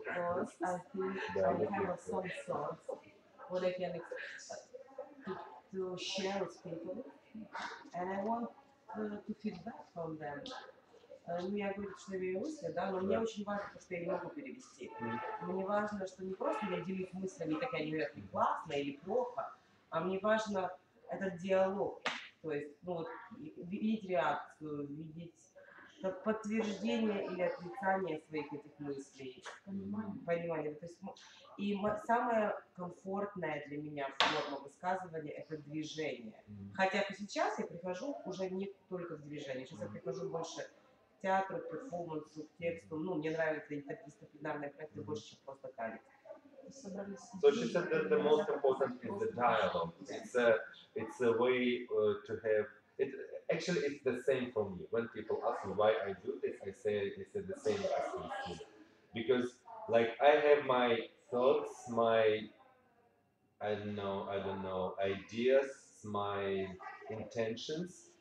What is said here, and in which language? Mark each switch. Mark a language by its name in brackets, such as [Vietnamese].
[English] Because I think I have some thoughts what I can to share with people and I want to feedback from them. [Russian] Ну, я говорю, что я русская, да, но мне очень важно, то, что я не могу перевести. Мне важно, что не просто я делюсь мыслями, так я не говорю, это классно или плохо, а мне важно этот диалог, то есть, ну, вот, видеть реакцию, видеть как подтверждение или отрицание своих этих мыслей. Понимание. То есть, и самое комфортное для меня форма высказывания – это движение. Хотя сейчас я прихожу уже не только в движение, сейчас я прихожу больше... театру, перформансу, тексту. Ну, мне нравится интердисциплинарная практика больше, чем просто танец. [English] So she said that the most important thing is the dialogue. It's a way to have it. Actually, it's the same for me. When people ask me why I do this, I say it's the same as me too. Because like I have my thoughts, my I don't know ideas, my intentions.